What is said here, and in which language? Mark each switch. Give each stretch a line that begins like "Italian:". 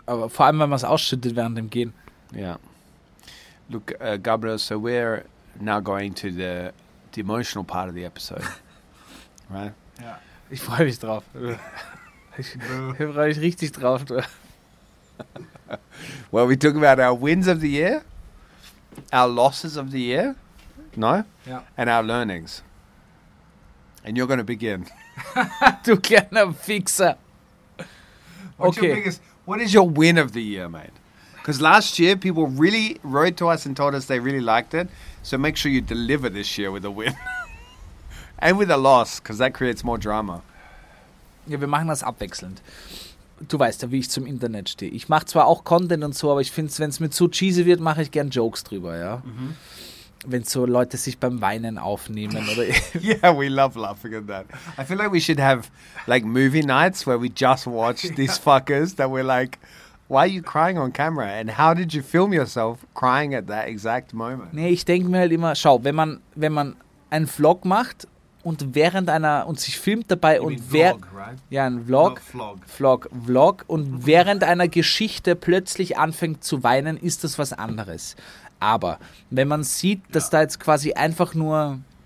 German: Aber vor allem, wenn man es ausschüttet während dem Gehen.
English: Yeah. Look, Gabriel, so we're now going to the emotional part of the episode. Right? Yeah. Ich freue mich drauf. Ich freue mich richtig drauf. Well, we talk about our wins of the year, our losses of the year, no? Yeah. And our learnings. And you're going to begin.
German: Du kleiner Fixer. Okay.
English: What is your win of the year, mate? Because last year, people really wrote to us and told us they really liked it. So make sure you deliver this year with a win. And with a loss, because that creates more drama.
German: Ja, wir machen das abwechselnd. Du weißt ja, wie ich zum Internet stehe. Ich mache zwar auch Content und so, aber ich finde, wenn es mir zu cheesy wird, mache ich gern Jokes drüber, ja. Mm-hmm. Wenn so Leute sich beim Weinen aufnehmen oder...
English: Yeah, we love laughing at that. I feel like we should have, like, movie nights where we just watch these fuckers that we're like... Why are you crying on camera? And how did you film yourself crying at that exact moment?
German: Nee, ich denke mir halt immer, schau, wenn man einen Vlog macht und während einer, und sich filmt dabei
English: you
German: und während...
English: Right?
German: Ja, ein Vlog. Vlog. Und während einer Geschichte plötzlich anfängt zu weinen, ist das was anderes. Aber wenn man sieht, dass da jetzt quasi einfach nur